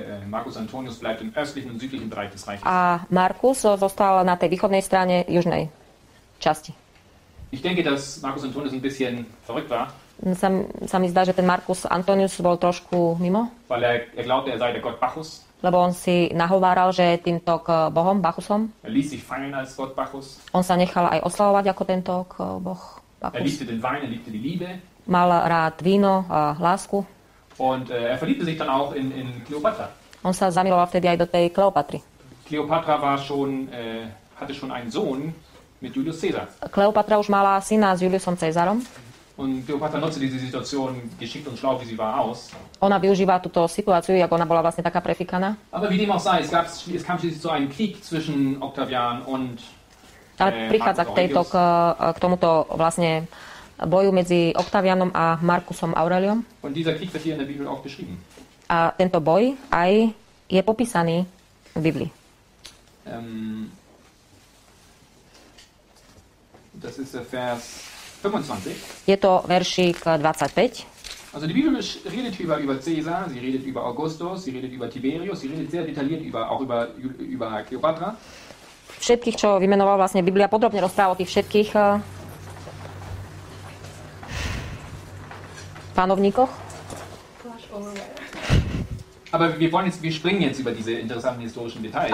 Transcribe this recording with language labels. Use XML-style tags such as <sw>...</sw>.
<de>Marcus Antonius bleibt im östlichen und südlichen Bereich des Reiches.</de> <sk>A Marcus zostal na tej východnej strane južnej časti.</sk> <de>Ich denke, dass Marcus Antonius ein bisschen verrückt war.</de> <sk>Sa mi zdá, že ten Marcus Antonius bol trošku mimo.</sk> <de>Weil er glaubte, er sei der Gott Bacchus.</de> <sk>Lebo on si nahováral, že je týmto k Bohom, Bacchusom.</sk> <de>Er ließ sich feiern als Gott Bacchus.</de> <sk>On sa nechal aj oslavovať ako tento k Boh Bacchus.</sk> <de>Er liebte den Wein, er liebte die Liebe.</de> <sk>Mal rád víno a lásku.</sk> <de>Und er verliebte sich dann auch in Kleopatra.</de> <sk>On sa zamiloval vtedy aj do tej Kleopatry.</sk> <de>Kleopatra war schon, hatte schon einen Sohn mit Julius Caesar.</de> <sk>Kleopatra už mala syna s Juliusom Cezarom.</sk> <de>Und Kleopatra nutzte diese Situation geschickt und schlau, wie sie war, aus.</de> <sk>Ona využíva túto situáciu, ako ona bola vlastne taká prefikaná.</sk> <de>Aber wie dem auch sei, es kam schließlich zu einem Krieg zwischen Octavian und</de> <sk>Ale prichádza</sk> <de>Marcus Aurelius.</de> <sk>K tomuto vlastne boju medzi Octavianom a Marcusom Aureliom.</sk> <de>Und dieser Krieg wird hier in der Bibel auch beschrieben.</de> <sk>A tento boj aj je popísaný v Biblii.</sk> <de>Das ist der Vers 25.</de> <sk>Je to veršík 25.</sk> <de>Also die Bibel redet über Caesar, sie redet über Augustus, sie redet über Tiberius, sie redet sehr detailliert über Kleopatra.</de> <sk>Všetkých, čo vymenoval vlastne Biblia, podrobne rozpráva o tých všetkých panovníkoch.</sk> <de>Aber wir wollen jetzt, wir springen jetzt über diese interessanten historischen Details.</de>